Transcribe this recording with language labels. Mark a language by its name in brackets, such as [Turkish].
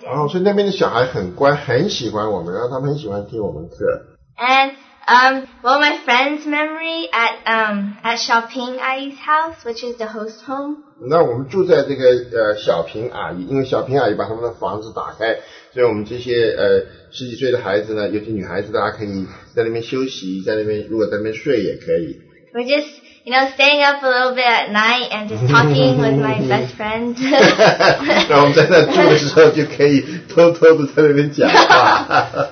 [Chinese] And, 所以那边的小孩很乖, 很喜欢我们, 然后他们很喜欢听我们课。 [English] And, well, my friend's memory at Xiaoping Ai's house, which is the host home. [Chinese] 那我们住在这个, 小平阿姨, 因为小平阿姨把他们的房子打开, 所以我们这些, 十几岁的孩子呢, 尤其女孩子, 大家可以在那边休息, 在那边, 如果在那边睡也可以。 [English] We're just, you know, staying up a little bit at night and just talking with my best friend. [Chinese] 然后我们在那住的时候就可以偷偷的在那边讲话。